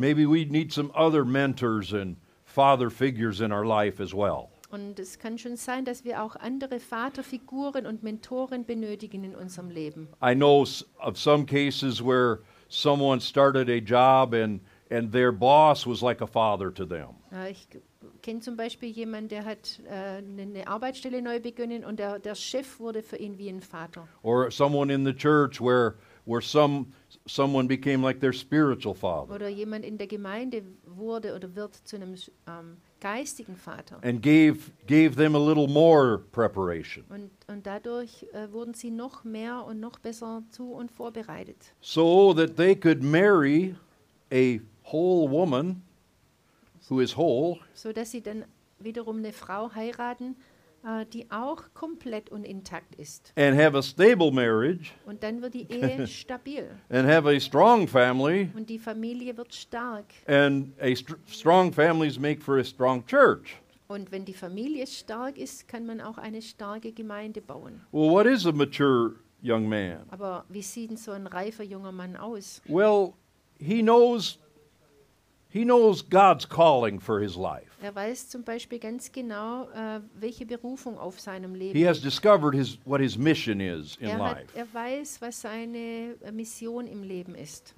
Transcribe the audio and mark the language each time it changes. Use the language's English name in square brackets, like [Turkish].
[English] Maybe we need some other mentors and father figures in our life as well. [German] Und es kann schon sein, dass wir auch andere Vaterfiguren und Mentoren benötigen in unserem Leben. [English] I know of some cases where someone started a job and And their boss was like a father to them. [German] Ich kenne zum Beispiel jemanden, der hat eine Arbeitsstelle neu begonnen und der Chef wurde für ihn wie ein Vater. [English] Or someone in the church where someone became like their spiritual father. [German] Oder jemand in der Gemeinde wurde oder wird zu einem geistigen Vater. [English] And gave them a little more preparation. [German] Und dadurch wurden sie noch mehr und noch besser zu und vorbereitet. [English] So that they could marry a whole woman who is whole, [German] so dass sie dann wiederum eine Frau heiraten, die auch komplett und intakt ist. [English] And have a stable marriage. [German] Und dann wird die Ehe stabil. [English] And have a strong family. [German] Und die Familie wird stark. [English] And strong families make for a strong church. [German] Und wenn die Familie stark ist, kann man auch eine starke Gemeinde bauen. [English] Well, what is a mature young man? [German] Aber wie sieht so ein reifer junger Mann aus? [English] Well, He knows God's calling for his life. [German] Er weiß zum Beispiel ganz genau, welche Berufung auf seinem Leben. [English] He has discovered what his mission is in life. [German] Er weiß, was seine Mission im Leben ist.